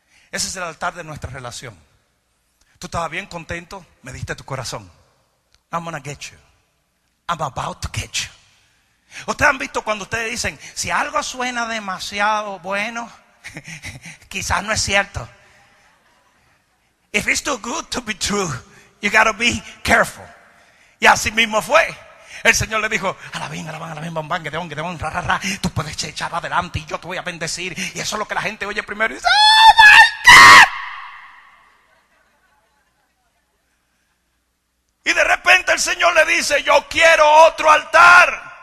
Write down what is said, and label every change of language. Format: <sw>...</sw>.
<es>Ese es el altar de nuestra relación. Tú estabas bien contento, me diste tu corazón.</es> <en>I'm gonna get you. I'm about to get you.</en> <es>Ustedes han visto cuando ustedes dicen: si algo suena demasiado bueno, quizás no es cierto.</es> <en>If it's too good to be true, you gotta be careful.</en> <es>Y así mismo fue. El Señor le dijo: alabín, alabán, alabín, bambán, que de honga, de honga, ra, ra, ra. Tú puedes echar adelante y yo te voy a bendecir. Y eso es lo que la gente oye primero y dice:</es> <en>¡oh, my God!</en> <es>Y de repente el Señor le dice: yo quiero otro altar.</es>